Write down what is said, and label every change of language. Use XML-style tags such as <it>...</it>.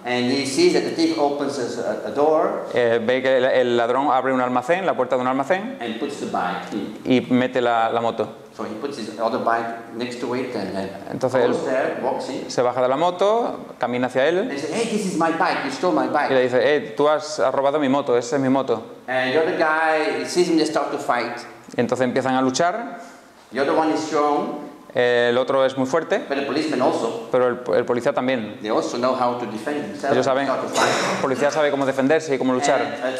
<en>And he sees that the thief opens a door.</en> <es>Ve que el ladrón abre un almacén, la puerta de un almacén.</es> <en>And puts the bike.</en> <es>Y mete la moto.</es> <en>So he puts his other bike next to it and</en> <es>entonces</es> <en>goes there, walks in.</en> <es>Se baja de la moto, camina hacia él.</es> <en>And he says, "Hey, this is my bike. You stole my bike."</en> <es>Y le dice, "Hey, tú has robado mi moto. Esa es mi moto."</es> <en>And the other guy sees him, they start to fight.</en> <es>Y entonces empiezan a luchar.</es> <en>The other one is strong.</en> <es>El otro es muy fuerte, pero el policía también.</es> <en>They also know how to defend themselves.</en> <es>Ellos saben, el policía sabe cómo defenderse y cómo luchar.</es>